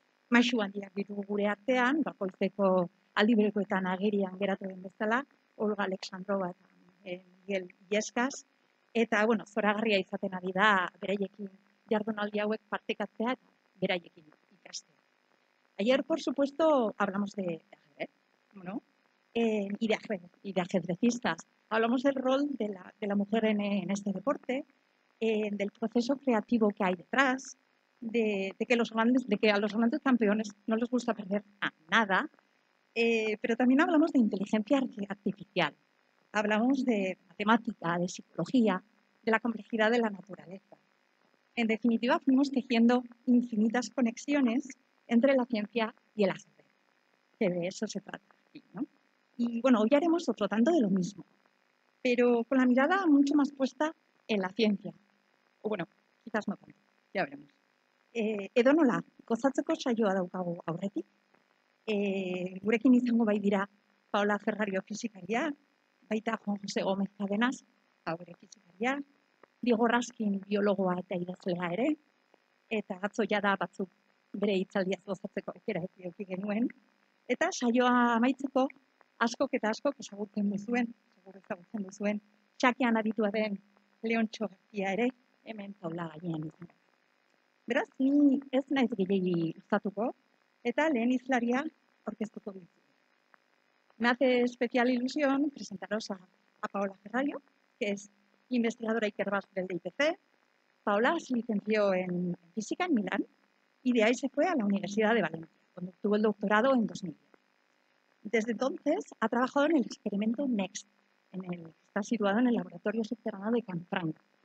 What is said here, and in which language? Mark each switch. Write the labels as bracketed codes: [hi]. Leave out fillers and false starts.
[eu] Maixu handiak ditugu gure artean, bakoitzeko aldiberekoetan agerian geratu den bezala, Olga Aleksandrova eta Miguel Ilescas, eta bueno, zoragarria izaten ari da beraiekin jardunaldi hauek partekatzea eta beraiekin ikastea. [es] Ayer, por supuesto, hablamos de ajedrez, ¿no? Y de ajedrecistas. Hablamos del rol de la mujer en este deporte, del proceso creativo que hay detrás, de que a los grandes campeones no les gusta perder a nada, pero también hablamos de inteligencia artificial. Hablamos de matemática, de psicología, de la complejidad de la naturaleza. En definitiva, fuimos tejiendo infinitas conexiones entre la ciencia y el ajedrez, que de eso se trata aquí, ¿no? Y bueno, hoy haremos otro tanto de lo mismo, pero con la mirada mucho más puesta en la ciencia. O bueno, quizás no tanto, ya veremos. [eu] Edonola, gozatzeko saioa daukago aurretik. Gurekin izango bai dira Paola Ferrario fisikaria, baita Juan José Gómez Cadenas, haure fisikaria, Diego Raskin biologoa eta idazlea ere, eta atzo jada batzuk bere hitzaldia gozatzeko aukera eduki genuen. Eta saioa amaitzeko, askok eta askok ezagutzen duzuen, xakean aditua den Leontxo Garcia ere, hemen taula gainean izan. Beraz, ni ez naiz gehiegi luzatuko, eta lehen hizlaria aurkeztuko dut. [es] Me hace especial ilusión presentaros a Paola Ferrario, que es investigadora Iker Basque del DIPC. Paola se licenció en física en Milán, y de ahí se fue a la Universidad de Valencia, donde obtuvo el doctorado en 2010. Desde entonces ha trabajado en el experimento NEXT, en el que está situado en el laboratorio subterráneo de Canfranc.